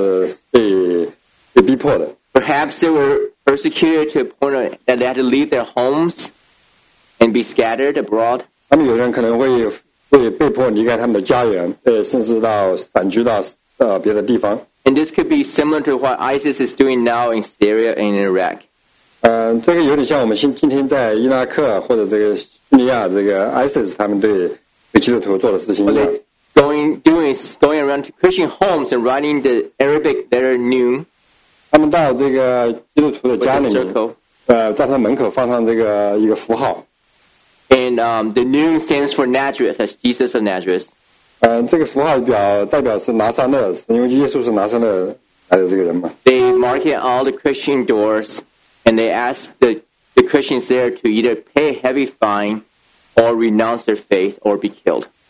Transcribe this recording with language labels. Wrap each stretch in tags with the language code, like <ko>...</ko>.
<zh>当时那个彼得的一些听众，他们有些人是身体上就是被逼迫的。</zh> <en>Perhaps they were persecuted to a point that they had to leave their homes and be scattered abroad.</en> <zh>他们有人可能会被迫离开他们的家园，甚至散居到别的地方。</zh> <en>And this could be similar to what ISIS is doing now in Syria and in Iraq.</en> <zh>这个有点像我们今天在伊拉克或者这个叙利亚这个 ISIS 他们对基督徒做的事情一样。</zh> <en>Going around to Christian homes and writing the Arabic letter noon.</en> <zh>他们到这个基督徒的家里面，在他门口放上这个一个符号。</zh> <en>And the noon stands for Nazareth, as Jesus of Nazareth.</en> <zh>这个符号代表是拿撒勒，因为耶稣是拿撒勒来的这个人嘛。</zh> <en>They mark it all the Christian doors, and they ask the Christians there to either pay a heavy fine, or renounce their faith, or be killed.</en>